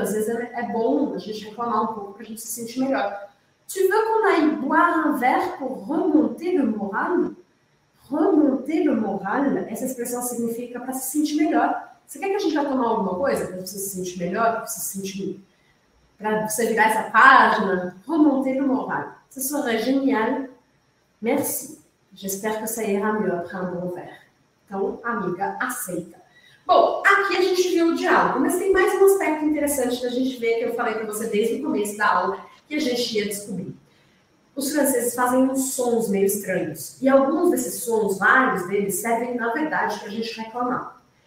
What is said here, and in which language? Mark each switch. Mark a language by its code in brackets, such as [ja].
[pt] Às vezes, é bom a gente reclamar um pouco para a gente se sentir melhor. [fr] Tu veux qu'on aille boire un verre pour remonter le moral? Remonter le moral, [pt] essa expressão significa para se sentir melhor. Você quer que a gente vá tomar alguma coisa para você se sentir melhor, para você se sentir... para você virar essa página? [fr] Remonter le moral. Ça serait génial. Merci. J'espère que ça ira mieux après un bon verre. [pt] Então, a amiga aceita. Bom, aqui a gente viu o diálogo, mas tem mais um aspecto interessante da gente ver que eu falei para você desde o começo da aula, que a gente ia descobrir. Os franceses fazem uns sons meio estranhos, e alguns desses sons, vários deles, servem, na verdade, para a gente reclamar.